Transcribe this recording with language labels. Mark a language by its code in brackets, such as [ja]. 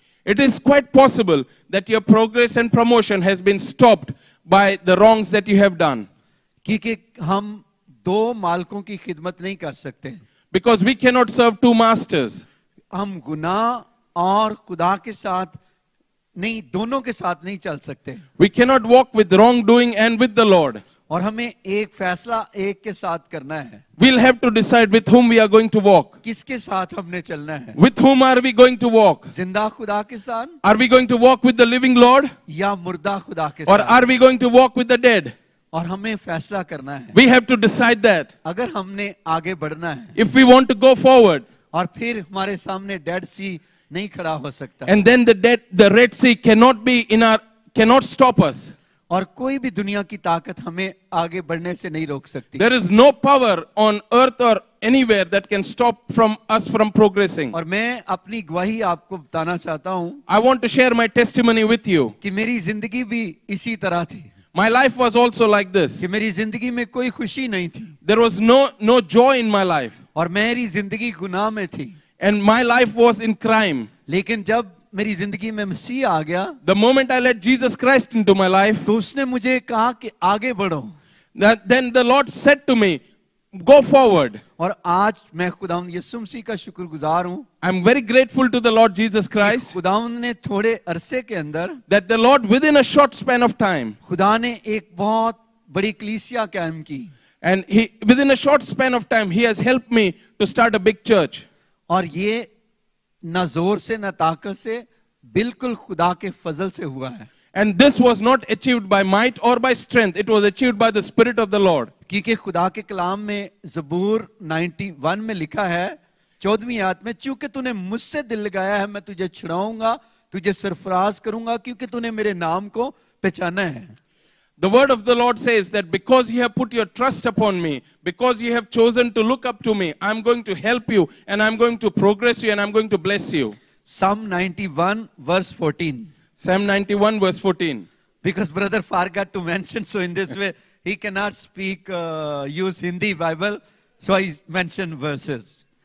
[en] It is quite possible that your progress and promotion has been stopped by the wrongs that you have done. [hi] क्योंकि हम दो मालिकों की खिदमत नहीं कर सकते. [en] Because we cannot serve two masters. [hi] हम गुनाह और खुदा के साथ नहीं, दोनों के साथ नहीं चल सकते. [en] We cannot walk with wrong doing and with the Lord. [hi] और हमें एक फैसला एक के साथ करना है. [en] We'll have to decide with whom we are going to walk. [hi] किसके साथ हमने चलना है. [en] With whom are we going to walk? [hi] जिंदा खुदा के साथ. [en] Are we going to walk with the living Lord? [hi] या मुर्दा खुदा के साथ. [en] Or are we going to walk with the dead? [hi] और हमें फैसला करना है. [en] We have to decide that. [hi] अगर हमने आगे बढ़ना है. [en] If we want to go forward. [hi] और फिर हमारे सामने डेड सी नहीं खड़ा हो सकता. [en] And then the Red Sea cannot stop us. [hi] और कोई भी दुनिया की ताकत हमें आगे बढ़ने से नहीं रोक सकती. [en] There is no power on earth or anywhere that can stop from us from progressing. [hi] और मैं अपनी गवाही आपको बताना चाहता हूँ. [en] I want to share my testimony with you. [hi] कि मेरी जिंदगी भी इसी तरह थी. [en] My life was also like this. [hi] कि मेरी जिंदगी में कोई खुशी नहीं थी. [en] There was no joy in my life. [hi] और मेरी जिंदगी गुनाह में थी. [en] And my life was in crime. [hi] लेकिन जब मेरी जिंदगी में मसीह आ गया. [en] The moment I let Jesus Christ into my life. [hi] तो उसने मुझे कहा कि आगे बढ़ो. [en] Then the Lord said to me, go forward. [hi] और आज मैं खुदावंद यीशु मसीह का शुक्रगुजार हूं. [en] I am very grateful to the Lord Jesus Christ. [hi] खुदावंद ने थोड़े अरसे के अंदर. [en] That the Lord within a short span of time. [hi] खुदा ने एक बहुत बड़ी कलीसिया कायम की. [en] And he within a short span of time he has helped me to start a big church. [hi] और ये ना जोर से ना ताकत से बिल्कुल खुदा के फजल से हुआ है. [en] And this was not achieved by might or by strength. It was achieved by the Spirit of the Lord. [hi] क्योंकि खुदा के कलाम में जबूर 91 में लिखा है 14वीं आयत में, चूंकि तूने मुझसे दिल लगाया है मैं तुझे छुड़ाऊंगा, तुझे सरफराज करूंगा क्योंकि तूने मेरे नाम को पहचाना है. [en] The word of the Lord says that because you have put your trust upon me, because you have chosen to look up to me, I am going to help you and I am going to progress you and I am going to bless you. Psalm 91 verse 14. Psalm 91 verse 14. Because brother forgot to mention, so in this way he cannot speak, use Hindi Bible, so I mention verses.